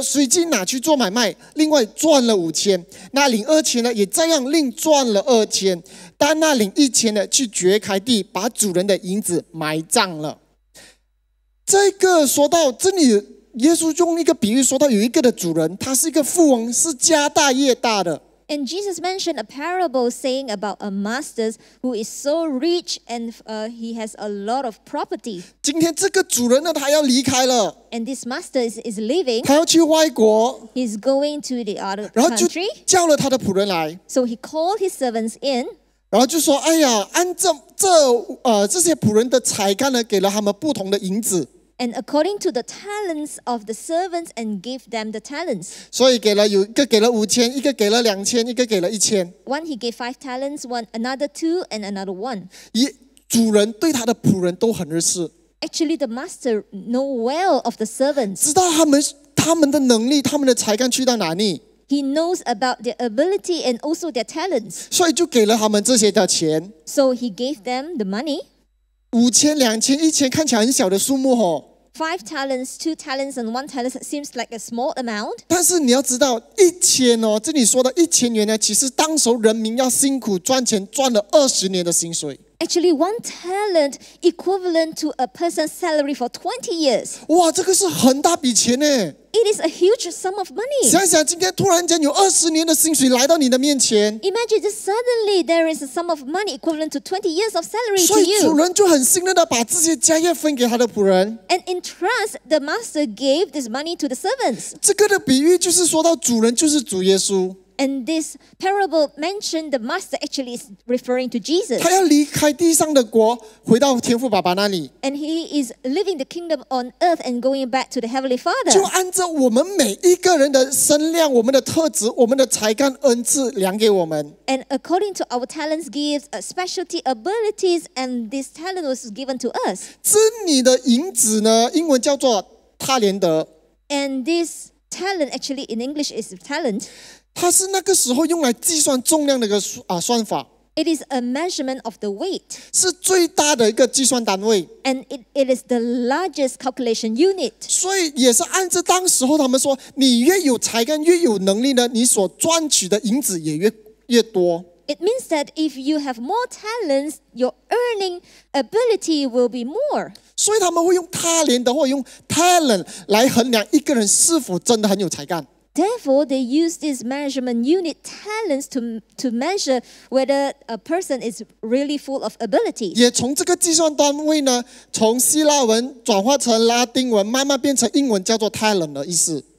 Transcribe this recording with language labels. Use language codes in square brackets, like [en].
[zh] 那领5000的随即拿去做买卖, 另外赚了5000, 那领2000的也照样另赚了2000, 但那领1000的去掘开地, 把主人的银子埋葬了。这个说到这里，耶稣用一个比喻说到有一个的主人，他是一个富翁，是家大业大的。 [en] And Jesus mentioned a parable saying about a master who is so rich and he has a lot of property. [zh] 今天这个主人呢, 他要离开了。 [en] And this master is leaving. [zh] 他要去外国。 [en] He's going to the other country. [zh] 然后就叫了他的仆人来。 [en] So he called his servants in. [zh] 然后就说, 哎呀, 按这, 这些仆人的才干呢, 给了他们不同的银子。 [en] And according to the talents of the servants, and give them the talents. [zh] 所以给了5000, 一个给了2000, 一个给了1000. [en] One he gave 5 talents, one another 2, and another 1. [zh] 主人对他的仆人都很认识。 [en] Actually, the master know well of the servants. [zh] 知道他们的能力, 他们的才干去到哪里。 [en] He knows about their ability and also their talents. [zh] 所以就给了他们这些的钱。 [en] So he gave them the money. [zh] 五千, 两千, 一千, 看起来很小的数目, 哦。 [en] Five talents, two talents, and one talent seems like a small amount. [zh] 但是你要知道, 一千哦, 这里说的1000元呢, 其实当时人民要辛苦赚钱赚了20年的薪水。 [en] Actually, one talent equivalent to a person's salary for 20 years. [zh] 哇, 这个是很大笔钱呢。 [en] It is a huge sum of money. [zh] 想想今天突然间有20年的薪水来到你的面前。 [en] Imagine just suddenly there is a sum of money equivalent to 20 years of salary to you. [zh] 所以主人就很信任地把这些家业分给他的仆人。 [en] And in trust, the master gave this money to the servants. [zh] 这个的比喻就是说到主人就是主耶稣。 [en] And this parable mentioned the master actually is referring to Jesus. [zh] 他要离开地上的国, 回到天父爸爸那里。 [en] And he is leaving the kingdom on earth and going back to the Heavenly Father. [zh] 就按照我们每一个人的身量, 我们的特质, 我们的才干, 恩赐量给我们。 [en] And according to our talents, gifts, specialty, abilities, and this talent was given to us. [zh] 这里的银子呢, 英文叫做塔连德。 [en] And this talent actually in English is talent. [zh] 它是那个时候用来计算重量的一个算法。 [en] It is a measurement of the weight. [zh] 是最大的一个计算单位。 [en] And it is the largest calculation unit. [zh] 所以也是按照当时候他们说, 你越有才干越有能力呢, 你所赚取的银子也越多。 [en] It means that if you have more talents, your earning ability will be more. [zh] 所以他们会用他连的或用 talent 来衡量一个人是否真的很有才干。 [en] Therefore, they use this measurement unit talents to measure whether a person is really full of ability. [zh] 也从这个计算单位呢，从希腊文转化成拉丁文，慢慢变成英文，叫做 talent 的意思。